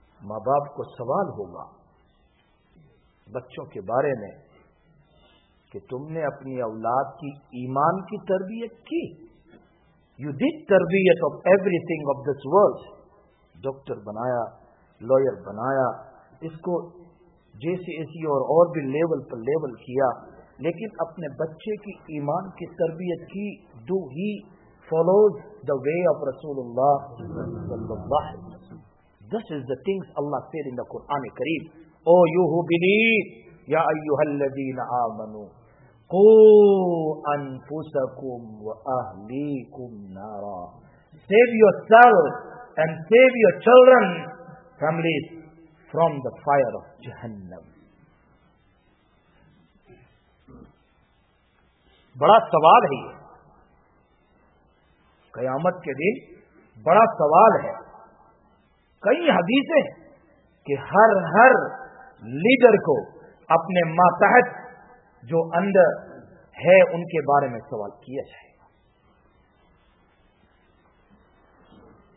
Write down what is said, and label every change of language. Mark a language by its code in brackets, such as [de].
[ur] ماں باپ کو سوال ہوگا بچوں کے بارے میں کہ تم نے اپنی اولاد کی ایمان کی تربیت کی. [en] You did تربیت of everything of this world. [ur] Doctor بنایا, لائر بنایا, اس کو جے سی ایس سی اور بھی لیول پر لیول کیا, لیکن اپنے بچے کی ایمان کی تربیت کی؟ دو ہی [en] follows the way of [ur] Rasulullah sallallahu alaihi wasallam. [en] This is the things Allah said in the Quran Kareem. O you who believe, [ar] ya ayyuhalladhina amanu qu anfusakum wa ahlikum nara. [en] Save yourselves and save your children, families, from the fire of Jahannam. [ur] Bada sawal hai قیامت کے دن, بڑا سوال ہے. کئی حدیثیں کہ ہر ہر leader کو اپنے ماتحت جو اندر ہے ان کے بارے میں سوال کیا جائے گا.